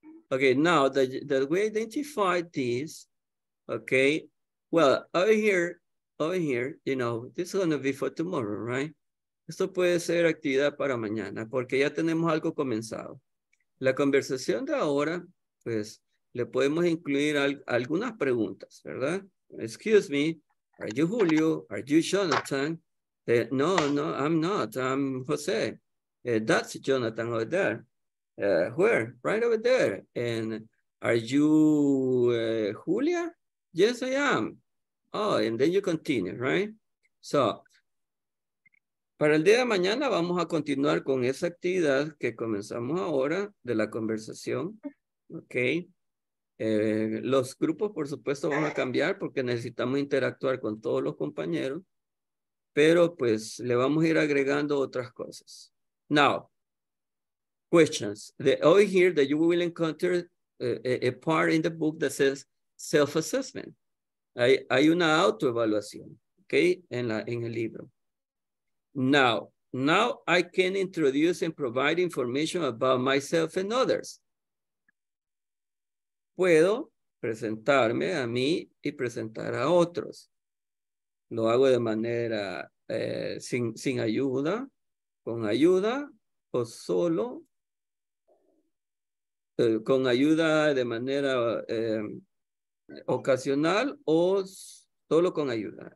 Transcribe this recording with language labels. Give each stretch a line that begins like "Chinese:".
English: Okay, now that we identified this, okay, well, over here, you know, this is gonna be for tomorrow, right?
Spanish: Esto puede ser actividad para mañana, porque ya tenemos algo comenzado. La conversación de ahora, pues, le podemos incluir algunas preguntas, ¿verdad?
English: Excuse me. Are you Julio? Are you Jonathan? No, I'm not. I'm Jose. That's Jonathan over there. Where? Right over there. And are you Julia? Yes, I am. Oh, and then you continue, right? So
Spanish: Para el día de mañana vamos a continuar con esa actividad que comenzamos ahora de la conversación. Ok. Los grupos, por supuesto, van a cambiar porque necesitamos interactuar con todos los compañeros. Pero pues le vamos a ir agregando otras cosas.
English: Now, questions. Over here that you will encounter a part in the book that says self-assessment.
Spanish: Hay una autoevaluación, okay, en el libro.
English: Now I can introduce and provide information about myself and others.
Spanish: Puedo presentarme a mí y presentar a otros. Lo hago de manera sin ayuda, con ayuda o solo. Con ayuda de manera ocasional o solo con ayuda.